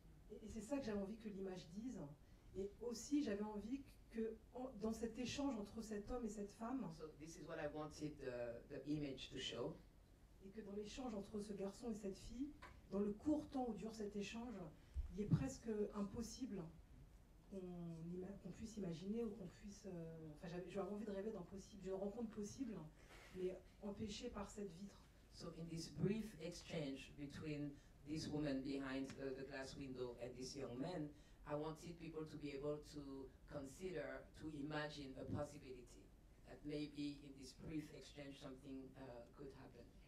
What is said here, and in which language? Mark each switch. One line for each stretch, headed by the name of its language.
French: Et c'est ça que j'avais envie que l'image dise. Et aussi, j'avais envie que dans cet échange entre cet homme et cette femme.
English: So this is what I wanted the image to show.
French: Et que dans l'échange entre ce garçon et cette fille, dans le court temps où dure cet échange, il est presque impossible qu'on puisse imaginer ou qu'on puisse. Enfin, j'avais envie de rêver d'impossible, d'une rencontre possible, mais empêchée par cette vitre.
English: So in this brief exchange between this woman behind the glass window and this young man, I wanted people to be able to consider, to imagine a possibility that maybe in this brief exchange something could happen.